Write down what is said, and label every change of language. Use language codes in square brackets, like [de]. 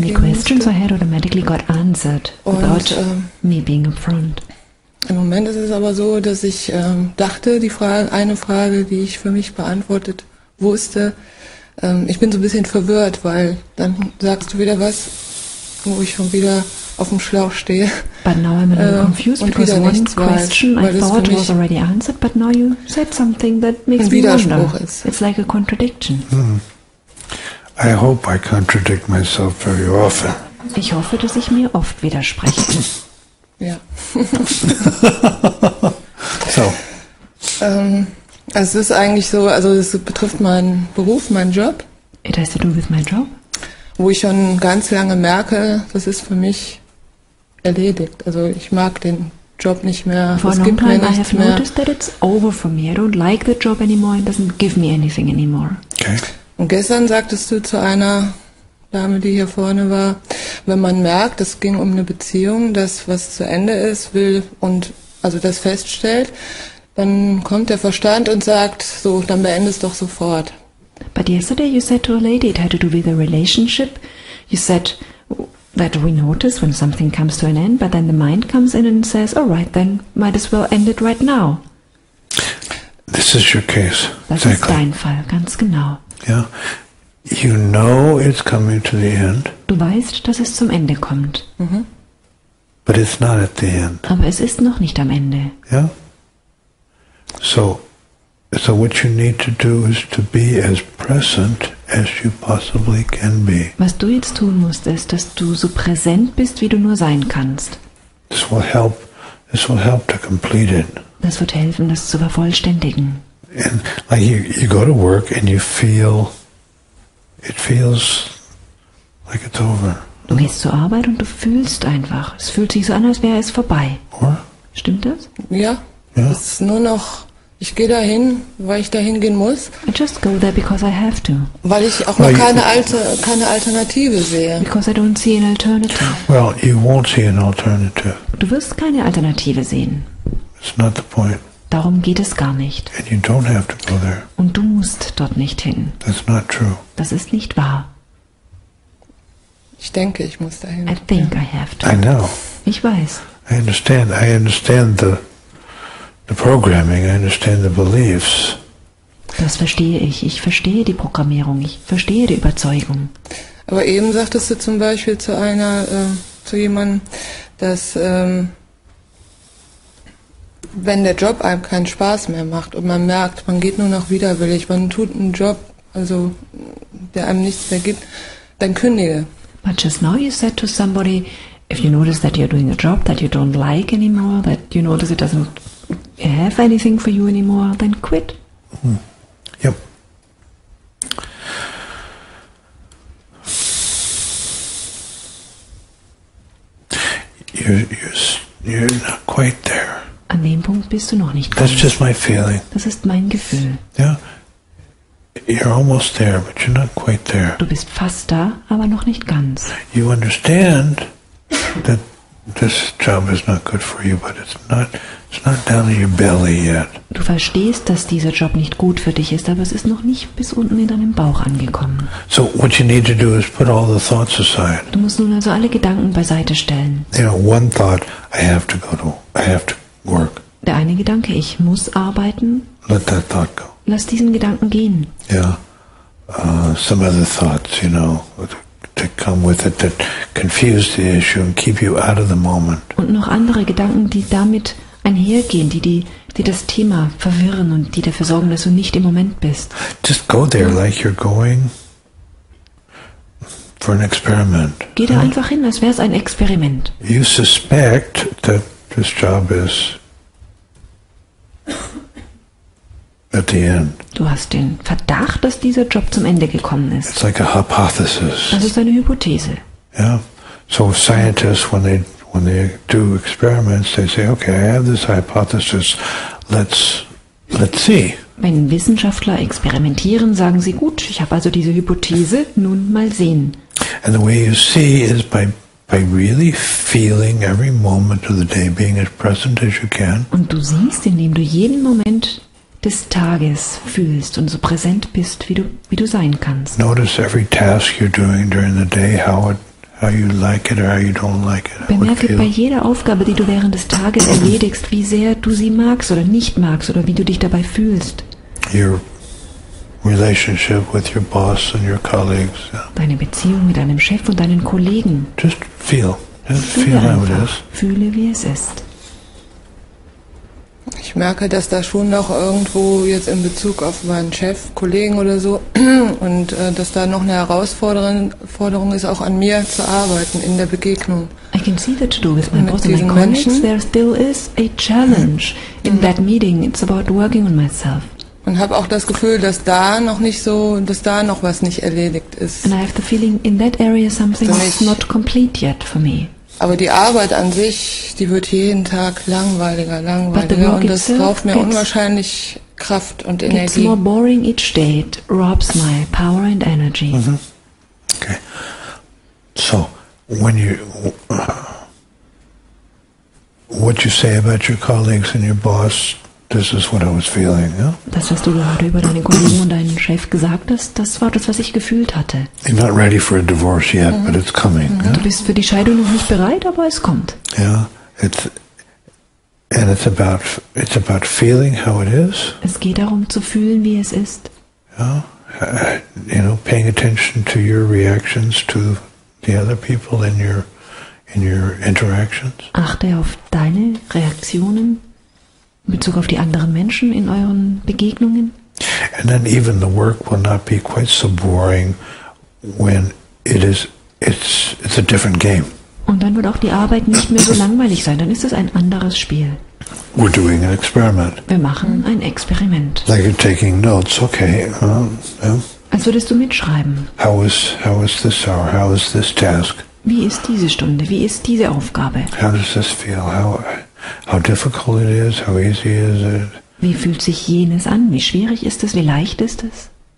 [de] musste. [en] Many questions I had automatically got answered without me being up front. [de] Im Moment ist es aber so, dass ich dachte, eine Frage, die ich für mich beantwortet wusste, ich bin so ein bisschen verwirrt, weil dann sagst du wieder was, wo ich schon wieder auf dem Schlauch stehe. [en] But now I'm a little confused because one question I thought was already answered, but now you said something that makes me wonder. It's like a contradiction. I hope I contradict myself very often. [de] Ich hoffe, dass ich mir oft widerspreche. Ja. So. Es ist eigentlich so, also es betrifft meinen Beruf, meinen Job. [en] It has to do with my job. [de] Wo ich schon ganz lange merke, das ist für mich erledigt. Also ich mag den Job nicht mehr. [en] For [de] es gibt [en] long time [de] mir nichts [en] I have [de] mehr. [en] Noticed that it's over for me. I don't like the job anymore. It doesn't give me anything anymore. Okay. [de] Und gestern sagtest du zu einer Dame, die hier vorne war, wenn man merkt, es ging um eine Beziehung, dass was zu Ende ist, will und also das feststellt, dann kommt der Verstand und sagt, so, dann beende es doch sofort. [en] But yesterday you said to a lady, it had to do with a relationship. You said that we notice when something comes to an end, but then the mind comes in and says, all right, then might as well end it right now. This is your case. [de] Das [en] exactly. [de] ist dein Fall, ganz genau. [en] Yeah. You know it's coming to the end. [de] Du weißt, dass es zum Ende kommt. [en] Mm-hmm. But it's not at the end. [de] Aber es ist noch nicht am Ende. [en] Yeah. So what you need to do is to be as present as you possibly can be. [de] Was du jetzt tun musst, ist, dass du so präsent bist, wie du nur sein kannst. [en] This will help to complete it. [de] Das wird helfen, das zu vervollständigen. [en] And like you go to work and you feel it feels like it's over. [de] Du gehst zur Arbeit und du fühlst einfach, es fühlt sich so an, als wäre es vorbei. [en] Or? [de] Stimmt das? Ja. Ja. Es ist nur noch, ich gehe dahin, weil ich dahin gehen muss. [en] I just go there because I have to. [de] Weil ich auch noch keine Alternative sehe. [en] Because I don't see an alternative. Well, you won't see an alternative. [de] Du wirst keine Alternative sehen. [en] It's not the point. [de] Darum geht es gar nicht. [en] And you don't have to go there. [de] Und du musst dort nicht hin. [en] That's not true. [de] Das ist nicht wahr. Ich denke, ich muss dahin. [en] I think I have to. I know. [de] Ich weiß. [en] I understand the programming, I understand the beliefs. [de] Das verstehe ich. Ich verstehe die Programmierung. Ich verstehe die Überzeugung. Aber eben sagtest du zum Beispiel zu einer, zu jemandem, dass wenn der Job einem keinen Spaß mehr macht und man merkt, man geht nur noch widerwillig, man tut einen Job, also der einem nichts mehr gibt, dann kündige. [en] But just now you said to somebody, if you notice that you're doing a job that you don't like anymore, that you notice it doesn't have anything for you anymore, then quit. Mm-hmm. Yep. You're not quite there. [de] An dem Punkt bist du noch nicht ganz. [en] That's just my feeling. [de] Das ist mein Gefühl. [en] Yeah. You're almost there, but you're not quite there. [de] Du bist fast da, aber noch nicht ganz. [en] You understand that this job is not good for you, but it's not down in your belly yet. [de] Du verstehst, dass dieser Job nicht gut für dich ist, aber es ist noch nicht bis unten in deinem Bauch angekommen. [en] So what you need to do is put all the thoughts aside. [de] Du musst nun also alle Gedanken beiseite stellen. [en] You know, one thought, I have to work. [de] Der eine Gedanke, ich muss arbeiten. [en] Let that thought go. [de] Lass diesen Gedanken gehen. [en] Yeah. Some other thoughts, you know, that come with it, that confuse the issue and keep you out of the moment. [de] Und noch andere Gedanken, die damit einhergehen, die das Thema verwirren und die dafür sorgen, dass du nicht im Moment bist. [en] Just go there like you're going for an experiment. [de] Geh da einfach hin, als wäre es ein Experiment. [en] You suspect that this job is at the end. [de] Du hast den Verdacht, dass dieser Job zum Ende gekommen ist. [en] It's like a hypothesis. [de] Das ist eine Hypothese. [en] Yeah. So scientists, when they do experiments, they say, okay, I have this hypothesis. Let's see. [de] Wenn Wissenschaftler experimentieren, sagen sie, gut, ich habe also diese Hypothese, nun mal sehen. [en] And the way you see is by really feeling every moment of the day, being as present as you can. [de] Und du siehst, indem du jeden Moment des Tages fühlst und so präsent bist, wie du sein kannst. [en] Notice every task you're doing during the day, how you like it or how you don't like it. [de] Bemerke bei jeder Aufgabe, die du während des Tages erledigst, wie sehr du sie magst oder nicht magst oder wie du dich dabei fühlst. [en] Your relationship with your boss and your colleagues. [de] Deine Beziehung mit deinem Chef und deinen Kollegen. [en] Just feel. Just feel [de] einfach, [en] how it is. [de] Fühle, wie es ist. Ich merke, dass da schon noch irgendwo jetzt in Bezug auf meinen Chef, Kollegen oder so, und dass da noch eine Herausforderung ist, auch an mir zu arbeiten in der Begegnung. [en] I can see that to do with my boss and my colleagues, there still is a challenge in that meeting. It's about working on myself. [de] Und habe auch das Gefühl, dass da noch nicht so, dass da noch was nicht erledigt ist. [en] And I have the feeling in that area something is not complete yet for me. [de] Aber die Arbeit an sich, die wird jeden Tag langweiliger. Und das raubt mir unwahrscheinlich Kraft und Energie. [en] It's more boring each day. It robs my power and energy. Mm-hmm. Okay. So, when you... what you say about your colleagues and your boss, this is what I was feeling, yeah? [de] Das, was du gerade über deine Kollegen und deinen Chef gesagt hast, das war das, was ich gefühlt hatte. [en] You're not ready for a divorce yet, mm-hmm. but it's coming. Mm-hmm. Yeah? [de] Du bist für die Scheidung noch nicht bereit, aber es kommt. [en] Yeah, it's about feeling how it is. [de] Es geht darum, zu fühlen, wie es ist. [en] Yeah, you know, paying attention to your reactions to the other people in your interactions. [de] Achte auf deine Reaktionen in Bezug auf die anderen Menschen in euren Begegnungen. [en] And then even the work will not be quite so boring when it's a different game. [de] Und dann wird auch die Arbeit nicht mehr so langweilig sein, dann ist es ein anderes Spiel. [en] We're doing an experiment. [de] Wir machen ein Experiment. [en] Like you're taking notes, okay. [de] Als würdest du mitschreiben. [en] How is this hour? How is this task? [de] Wie ist diese Stunde? Wie ist diese Aufgabe? [en] How does this feel? How difficult it is, how easy is it? [de] Wie fühlt sich jenes an? Wie schwierig ist es? Wie leicht ist es?